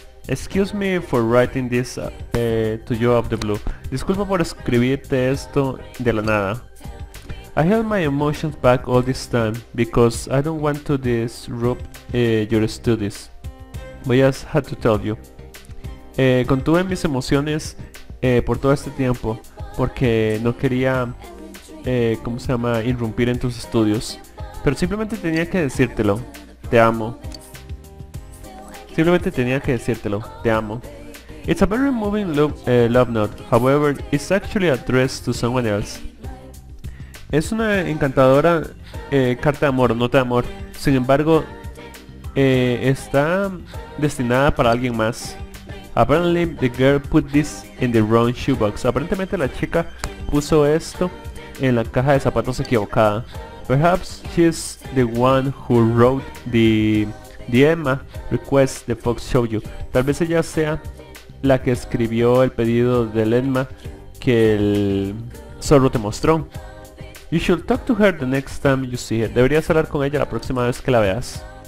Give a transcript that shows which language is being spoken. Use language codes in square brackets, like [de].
[en] Excuse me for writing this to you of the blue. [es] Disculpa por escribirte esto de la nada. [en] I held my emotions back all this time because I don't want to disrupt your studies. But I just had to tell you. [es] Contuve mis emociones por todo este tiempo porque no quería, ¿cómo se llama? Irrumpir en tus estudios. Pero simplemente tenía que decírtelo. Te amo. Simplemente tenía que decírtelo, te amo. [en] It's a very moving love note, however, it's actually addressed to someone else. [es] Es una encantadora carta de amor, nota de amor. Sin embargo, está destinada para alguien más. [en] Apparently, the girl put this in the wrong shoebox. [es] Aparentemente, la chica puso esto en la caja de zapatos equivocada. [en] Perhaps she's the one who wrote the... The Enma request the fox show you. [es] Tal vez ella sea la que escribió el pedido del Enma que el zorro te mostró. [en] You should talk to her the next time you see her. [es] Deberías hablar con ella la próxima vez que la veas.